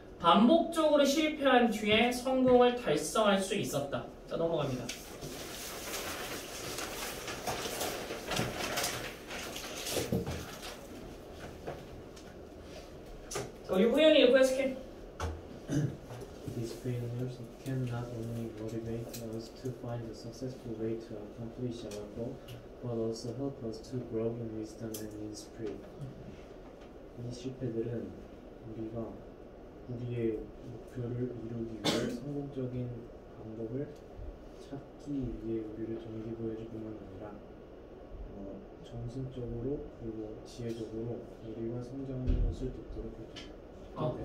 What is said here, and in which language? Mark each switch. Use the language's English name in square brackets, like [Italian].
[Korean] 반복적으로 실패한 뒤에 성공을 달성할 수 있었다. 자, 넘어갑니다. 자, 우리 후연이 리퀘스트해. [English] These failures can not only motivate us to find a successful way to accomplish our goal, but also help us to grow in wisdom and in spirit. [Korean] 이 실패들은 우리가 우리의 목표를 이루기 위해 성공적인 방법을 찾기 위해 우리를 동기부여해주기만 아니라 정신적으로 그리고 지혜적으로 우리가 성장하는 것을 돕도록 해줍니다.